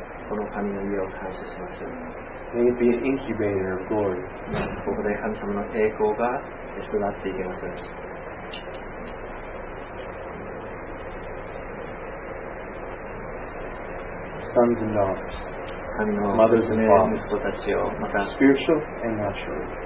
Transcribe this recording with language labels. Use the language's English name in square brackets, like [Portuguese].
[Japanese] この神の家を感謝します。 [English] May it be an incubator of glory. [Japanese] ここで神様の栄光が育っていきます。 [English] Sons and daughters, mothers and fathers, [Japanese] 息子たちをまた [English] spiritual and natural,